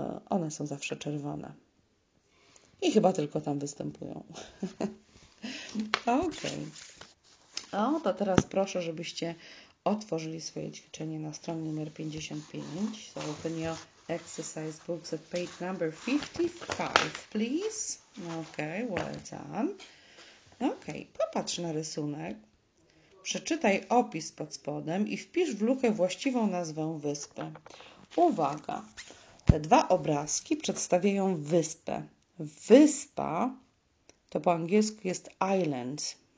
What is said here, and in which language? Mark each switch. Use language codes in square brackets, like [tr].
[pl] One są zawsze czerwone. I chyba tylko tam występują. Okej. Okay. To teraz proszę, żebyście otworzyli swoje ćwiczenie na stronie numer 55. [en] So open your exercise books at page number 55, please. Okej, okay, well done. [pl] Okej, okay, popatrz na rysunek. Przeczytaj opis pod spodem i wpisz w lukę właściwą nazwę wyspy. Uwaga! Te dwa obrazki przedstawiają wyspę. Wyspa to po angielsku jest island.